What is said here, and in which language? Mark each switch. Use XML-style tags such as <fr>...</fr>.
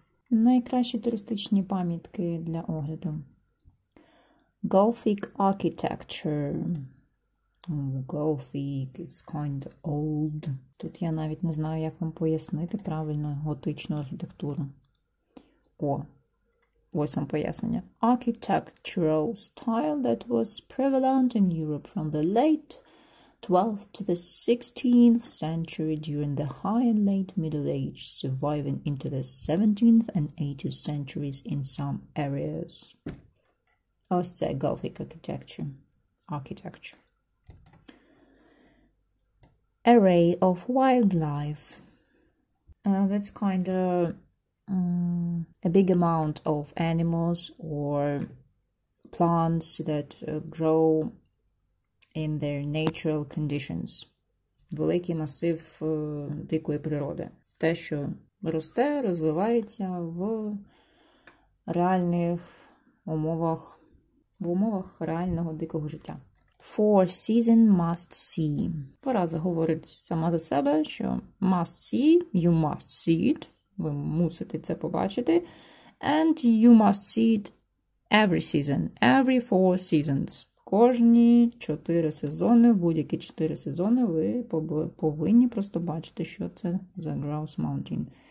<uk>Найкращі туристичні пам'ятки для огляду.</uk> <en>Gothic architecture. Gothic, it's kind of old.</en> <uk>Тут я навіть не знаю, як вам пояснити правильно готичну архітектуру. О, ось вам пояснення.</uk> <en>Architectural style that was prevalent in Europe from the late 12th to the 16th century during the high and late Middle Ages, surviving into the 17th and 18th centuries in some areas.</en> <uk>Ось це</uk> <en>Gothic architecture. Architecture. Array of wildlife. That's kind of a big amount of animals or plants that grow in their natural conditions.</en> <uk>Великий масив дикої природи. Те, що росте, розвивається в реальних умовах, в умовах реального дикого життя.</uk> <en>Four season must see.</en> <uk>Фраза говорить сама за себе, що</uk> <en>must see, you must see it.</en> <uk>Ви мусите це побачити.</uk> <en>And you must see it every season, every four seasons.</en> <uk>Кожні чотири сезони, будь-які чотири сезони, ви повинні просто бачити, що це за Grouse Mountain.</uk>